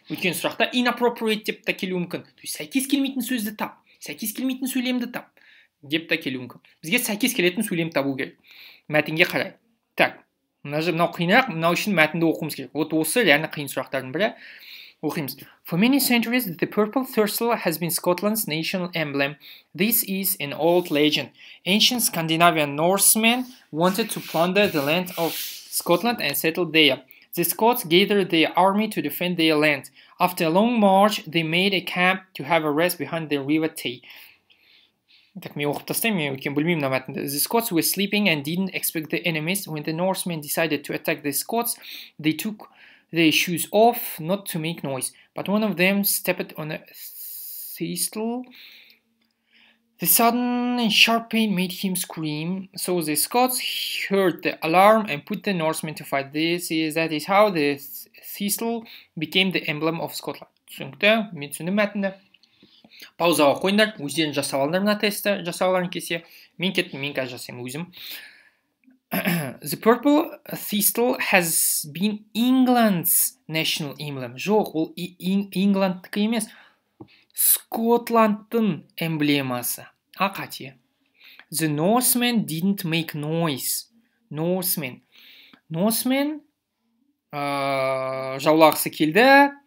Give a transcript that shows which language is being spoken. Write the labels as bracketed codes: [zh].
[kk] Өткен сұрақта inappropriate деп та келуі мүмкін. Сәйкес келмейтін сөзді тап. Сәйкес келмейтін сөйлемді тап. Деп та келуі мүмкін. Бізге сәйкес келетін сөйлем табу керек. Мәтінге қарай. Так, мынау қиынырақ, мынау үшін мәтінді оқуымыз керек. Вот осы реально қиын сұрақтардың бірі. Оқимыз. [en] For many centuries, the purple thistle has been Scotland's national emblem. This is an old legend. Ancient Scandinavian Norsemen wanted to plunder the land of Scotland and settle there. The Scots gathered their army to defend their land. After a long march, they made a camp to have a rest behind the River Tay. [kk] Так, мен оқып тастаймын, мен өйткені білмеймін мына мәтінді. [en] The Scots were sleeping and didn't expect the enemies. When the Norsemen decided to attack the Scots, they took their shoes off, not to make noise. But one of them stepped on a thistle. The sudden and sharp pain made him scream. So the Scots heard the alarm and put the Norsemen to fight. That is how the thistle became the emblem of Scotland. [kk] Түсінікті, мен түсіндім мәтінді. Паузаға қойындар, өздерін жасап алындар мына тестті, жасап аларын кесе. Мен кеттім, мен қазір жасаймын өзім. [en] The purple thistle has been England's national emblem. [kk] Жоқ, ол Ингландтікі емес. Скотландтың эмблемасы. А қате. [en] The Norsemen didn't make noise. Norsemen. [kk] Norsemen жаулағысы келді.